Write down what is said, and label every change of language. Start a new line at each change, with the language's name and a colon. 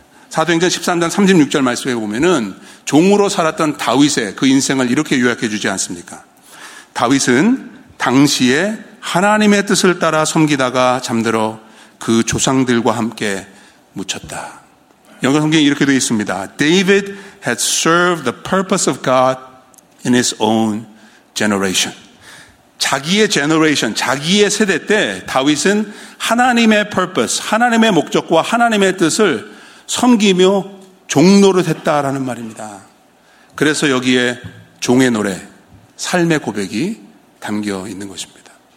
Korean: 사도행전 13장 36절 말씀에 보면은 종으로 살았던 다윗의 그 인생을 이렇게 요약해 주지 않습니까? 다윗은 당시에 하나님의 뜻을 따라 섬기다가 잠들어 그 조상들과 함께 묻혔다. 영어 성경이 이렇게 되어 있습니다.
English: David had served the purpose of God in his own generation.
Korean: 자기의 generation, 자기의 세대 때 다윗은 하나님의 purpose, 하나님의 목적과 하나님의 뜻을 섬기며 종노릇 했다라는 말입니다. 그래서 여기에 종의 노래, 삶의 고백이 담겨 있는 것입니다.